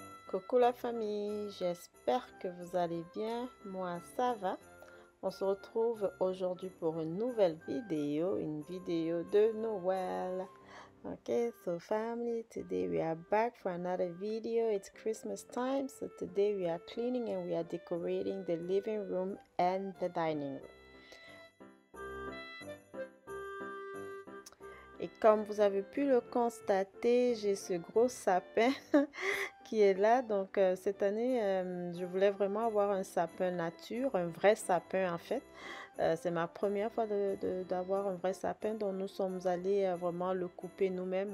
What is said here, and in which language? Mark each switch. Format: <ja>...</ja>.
<fr>Coucou la famille, j'espère que vous allez bien. Moi, ça va. On se retrouve aujourd'hui pour une nouvelle vidéo, une vidéo de Noël.</fr> <en>Okay, so family, today we are back for another video. It's Christmas time, so today we are cleaning and we are decorating the living room and the dining room.</en> <fr>Et comme vous avez pu le constater, j'ai ce gros sapin qui est là. Donc cette année, je voulais vraiment avoir un sapin nature, un vrai sapin en fait. C'est ma première fois d'avoir un vrai sapin, donc nous sommes allés vraiment le couper nous-mêmes.</fr>